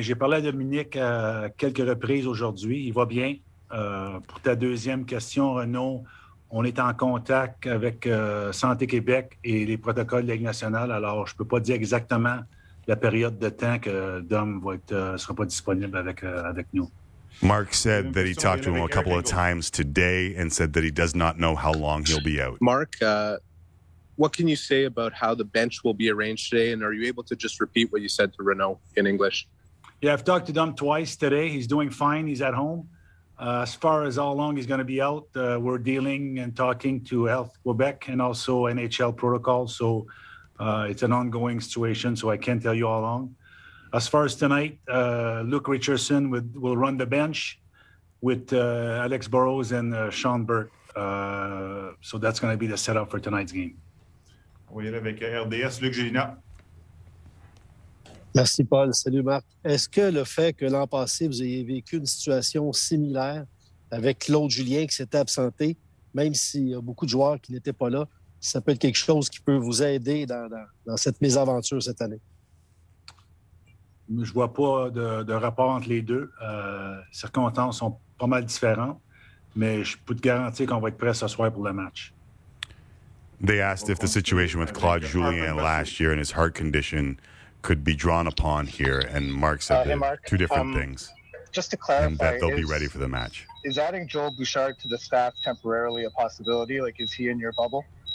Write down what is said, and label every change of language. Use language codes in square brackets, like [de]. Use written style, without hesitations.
[fr] J'ai parlé à Dominique à quelques reprises aujourd'hui. Il va bien. Pour ta deuxième question, Renaud, on est en contact avec Santé Québec et les protocoles de Ligue nationale. Alors, je ne peux pas dire exactement la période de temps que Dom va être sera pas disponible avec nous. [en] Mark said that he talked to him a couple of times today and said that he does not know how long he'll be out. Mark, what can you say about how the bench will be arranged today, and are you able to just repeat what you said to Renault in English? Yeah, I've talked to Dom twice today. He's doing fine. He's at home. As far as how long he's going to be out, we're dealing and talking to Health Quebec and also NHL protocol. So it's an ongoing situation, so I can't tell you how long. As far as tonight, Luke Richardson will run the bench with Alex Burrows and Sean Burke. So that's going to be the setup for tonight's game. [fr] On va y aller avec RDS, Luc Gélina. Merci, Paul. Salut, Marc. Est-ce que le fait que l'an passé, vous ayez vécu une situation similaire avec Claude Julien qui s'était absenté, même s'il y a beaucoup de joueurs qui n'étaient pas là, ça peut être quelque chose qui peut vous aider dans cette mésaventure cette année? Je ne vois pas de rapport entre les deux. Les circonstances sont pas mal différentes, mais je peux te garantir qu'on va être prêt ce soir pour le match. [en] They asked if the situation with Claude Julien last year and his heart condition could be drawn upon here, and Mark said hey, Mark, two different things. Just to clarify, and that they'll be ready for the match. Is adding Joel Bouchard to the staff temporarily a possibility? Like, is he in your bubble?